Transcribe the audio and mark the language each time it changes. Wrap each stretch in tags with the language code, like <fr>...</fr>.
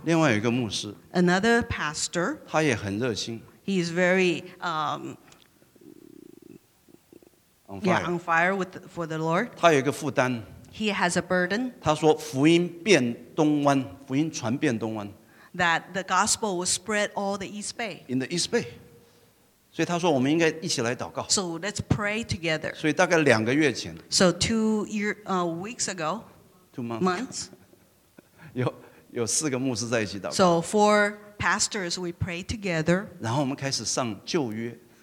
<zh>另外有一个牧师,</zh> <en>another pastor,</en> <zh>他也很热心,</zh> <en>he is very on fire, yeah, on fire with, for the Lord.</en> <zh>他有一个负担,</zh> <en>he has a burden.</en> <zh>他说福音遍东湾, 福音传遍东湾,</zh> <en>that the gospel will spread all the East Bay. In the East Bay.</en> <zh>所以他说我们应该一起来祷告,</zh> <en>so let's pray together.</en> <zh>所以大概两个月前,</zh> <en>so 2 year, weeks ago, 2 months,</en> <zh>有四个牧师在一起祷告,</zh> <en>so 4 pastors, we pray together.</en> <zh>然后我们开始上旧约,</zh>